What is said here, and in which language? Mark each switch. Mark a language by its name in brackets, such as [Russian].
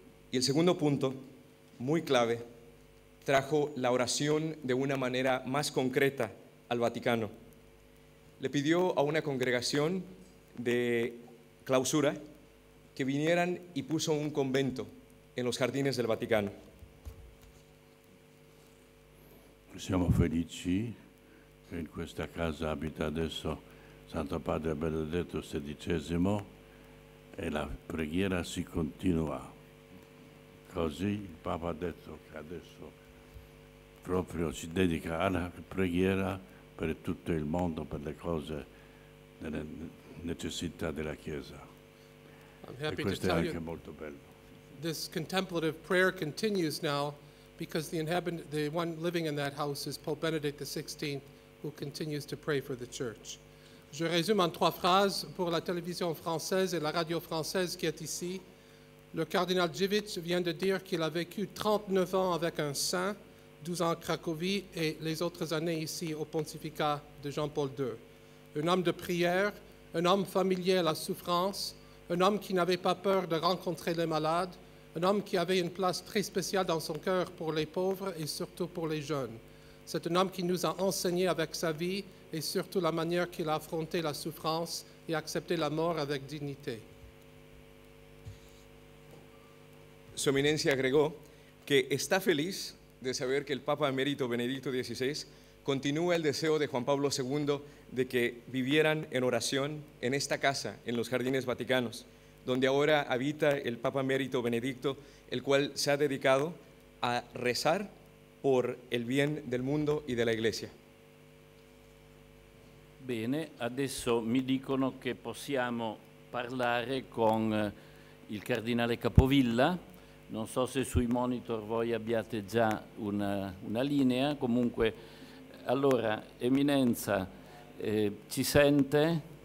[Spanish] Y el segundo punto, muy clave, trajo la oración de una manera más concreta al Vaticano. Le pidió a una congregación de clausura que vinieran y puso un convento en los jardines del Vaticano. [Italian] Siamo felici che in questa casa abita adesso Santo Padre Benedetto XVI, e la preghiera si continua. Così il Papa ha detto che adesso proprio si dedica alla preghiera per tutto il mondo, per le cose, delle necessità della Chiesa. [English] I'm happy [Italian] e questo [English] to tell [Italian] è anche [English] you, [Italian] molto bello. [English] this contemplative prayer continues now because the one living in that house is Pope Benedict XVI, who continues to pray for the church. [French] Je résume en trois phrases pour la télévision française et la radio française qui est ici. Le cardinal Dziewicz vient de dire qu'il a vécu 39 ans avec un saint, 12 ans à Cracovie et les autres années ici au pontificat de Jean-Paul II. Un homme de prière, un homme familier à la souffrance, un homme qui n'avait pas peur de rencontrer les malades, un homme qui avait une place très spéciale dans son cœur pour les pauvres et surtout pour les jeunes. C'est un homme qui nous a enseigné avec sa vie et surtout la manière qu'il a affronté la souffrance et accepté la mort avec dignité. [Spanish] Su Eminencia agregó que está feliz de saber que el Papa Emérito Benedicto XVI continúa el deseo de Juan Pablo II de que vivieran en oración en esta casa, en los Jardines Vaticanos, donde ahora habita el Papa Emérito Benedicto, el cual se ha dedicado a rezar por el bien del mundo y de la Iglesia. [Italian] Bene, adesso mi dicono che possiamo parlare con il Cardinale Capovilla. Non so se sui monitor voi abbiate già una linea, comunque, allora, Eminenza, ci sente?